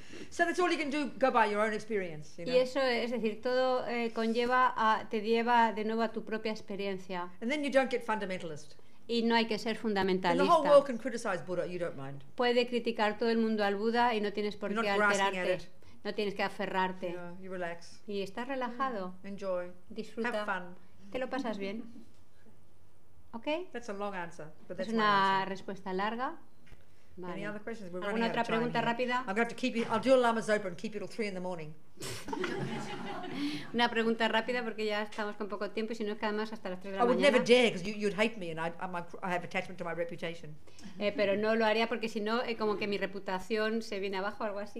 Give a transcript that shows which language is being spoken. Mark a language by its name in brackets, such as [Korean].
[English] So that's all you can do, go by your own experience, you know. [Spanish] Y eso es decir, todo conlleva te lleva de nuevo a tu propia experiencia. [English] And then you don't get fundamentalist. [Spanish] Y no hay que ser fundamentalista. [English] And the whole world can criticize Buddha, you don't mind. [Spanish] Puede criticar todo el mundo al Buda y no tienes por [English] You're [Spanish] qué [English] not [Spanish] alterarte. [English] Grasping at it. [Spanish] No tienes que aferrarte. [English] You know, you relax. [Spanish] Y estás relajado. [English] Enjoy. [Spanish] Disfruta. [English] Have fun. [Spanish] Te lo pasas bien. Okay. [English] That's a long answer, but that's [Spanish] es una [English] my answer. [Spanish] Respuesta larga. Vale. [English] Any other questions? We're [Spanish] ¿Alguna otra pregunta [English] here. [Spanish] Rápida? [English] I'm going to have to keep it. I'll do a Lama Zopa and keep it till 3 in the morning. [Spanish] Una pregunta rápida porque ya estamos con poco tiempo y si no es que además hasta las 3 de la mañana. [English] I would never dare because you'd hate me and I have attachment to my reputation. [Spanish] Pero no lo haría porque si no como que mi reputación se viene abajo o algo así.